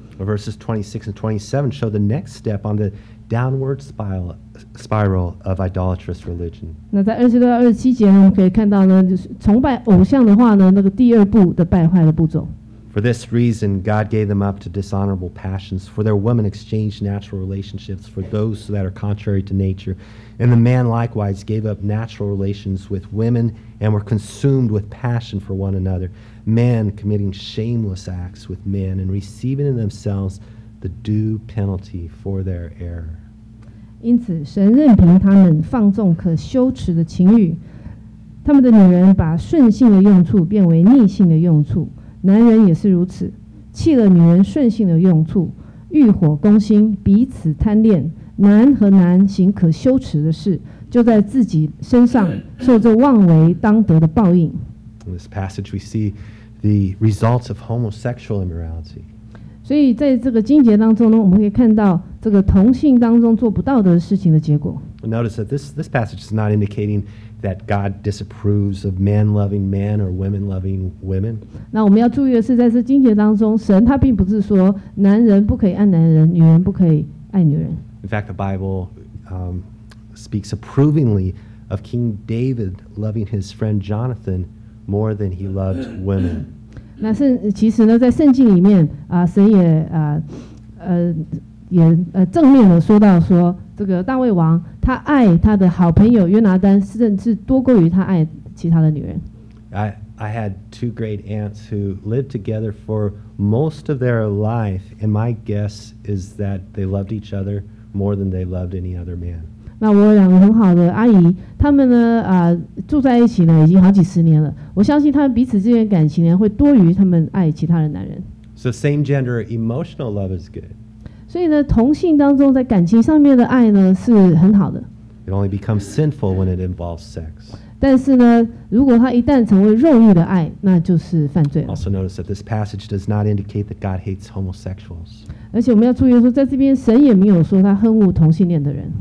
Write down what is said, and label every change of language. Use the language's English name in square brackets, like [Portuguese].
[English] Verses 26 and 27 show the next step on the downward spiral of idolatrous religion. [Chinese] 那在26-27节我们可以看到呢，就是崇拜偶像的话呢，那个第二步的败坏的步骤。 [English] For this reason, God gave them up to dishonorable passions, for their women exchanged natural relationships for those that are contrary to nature. And the man likewise gave up natural relations with women and were consumed with passion for one another, men committing shameless acts with men and receiving in themselves the due penalty for their error. [Chinese] 因此神任凭他们放纵可羞耻的情欲，他们的女人把顺性的用处变为逆性的用处，男人也是如此，弃了女人顺性的用处，欲火攻心，彼此贪恋，男和男行可羞耻的事，就在自己身上受着妄为当得的报应。 [English] In this passage we see the results of homosexual immorality. [Chinese] 所以在这个经节当中呢，我们可以看到这个同性当中做不道德事情的结果。 [English] Notice that this passage is not indicating that God disapproves of men loving men or women loving women. [Chinese] 那我们要注意的是，在这经节当中，神他并不是说男人不可以爱男人，女人不可以爱女人。 [English] In fact, the Bible speaks approvingly of King David loving his friend Jonathan more than he loved women. [Chinese] 那其实呢，在圣经里面神也正面的说到说，这个大卫王他爱他的好朋友约拿丹，甚至多过于他爱其他的女人。 [English] I had two great aunts who lived together for most of their life, and my guess is that they loved each other. More than they loved any other man. [Chinese] 那我有两个很好的阿姨，她们呢住在一起呢已经好几十年了。我相信她们彼此之间的感情呢会多于她们爱其他的男人。 [English] So same gender emotional love is good. [Chinese] 所以呢，同性当中在感情上面的爱呢是很好的。 [English] It only becomes sinful when it involves sex. [Chinese] 但是呢，如果它一旦成为肉欲的爱，那就是犯罪了。 [English] Also notice that this passage does not indicate that God hates homosexuals. [Chinese] 而且我们要注意说，在这边神也没有说他恨恶同性恋的人。